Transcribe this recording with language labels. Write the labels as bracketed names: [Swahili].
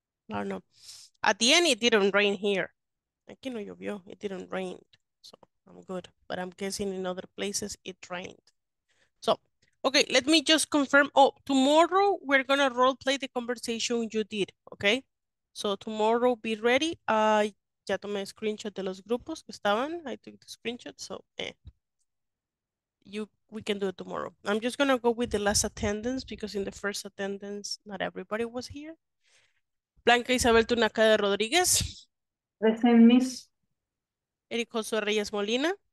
[English] I don't know. At the end, it didn't rain here. [Spanish] Aquí no llovió, [English] it didn't rain. So I'm good. But I'm guessing in other places it rained. So, okay, let me just confirm. Oh, tomorrow we're going to role play the conversation you did, okay? So tomorrow, be ready. [Spanish] Ya tomé screenshot de los grupos que estaban. [English] I took the screenshot, so eh. We can do it tomorrow. I'm just gonna go with the last attendance because in the first attendance, not everybody was here. Blanca Isabel Tunaca de Rodriguez. Present, Miss. Eric Josué Reyes Molina.